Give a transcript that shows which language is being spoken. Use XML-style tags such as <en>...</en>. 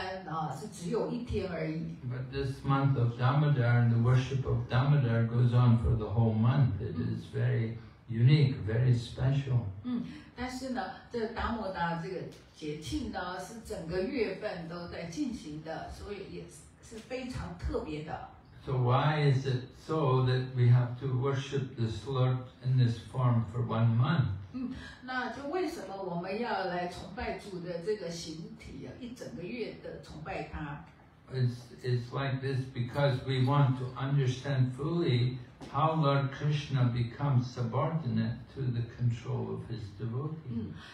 <en>But this month of Damodar and the worship of Damodar goes on for the whole month. It is very unique, very special.</en> <zh>但是呢，这达摩达这个节庆呢，是整个月份都在进行的，所以也是非常特别的。</zh> <en>So why is it so that we have to worship this Lord in this form for one month?</en> <zh>那就为什么我们要来崇拜主的这个形体，一整个月的崇拜他？</zh> <en>It's like this because we want to understand fully how Lord Krishna becomes subordinate to the control of his devotee.</en>